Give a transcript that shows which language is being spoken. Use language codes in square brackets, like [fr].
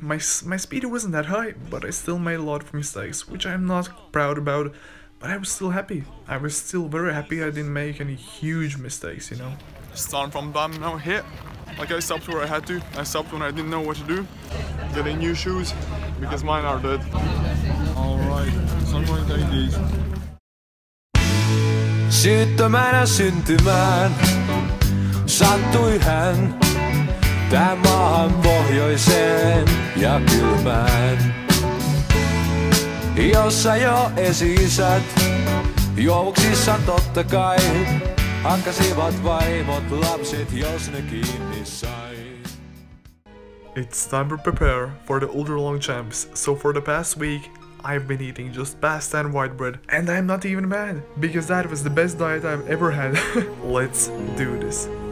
[en] My speed wasn't that high, but I still made a lot of mistakes, which I'm not proud about, but I was still happy. I was still very happy I didn't make any huge mistakes, you know. Starting from bottom now here, Like, I stopped where I had to. I stopped when I didn't know what to do. Getting new shoes, because mine are dead. Alright, so I'm going to take these. [fi] Syyttömänä syntymään sattui hän tämän maahan pohjoiseen ja kylmään, jossa jo esi-isät juovuksissa totta kai hakkasivat vaimot lapset, jos ne kiinni sai. [en] It's time to prepare for the ultralong champs. So for the past week, I've been eating just pasta and white bread, and I'm not even mad, because that was the best diet I've ever had. Let's do this.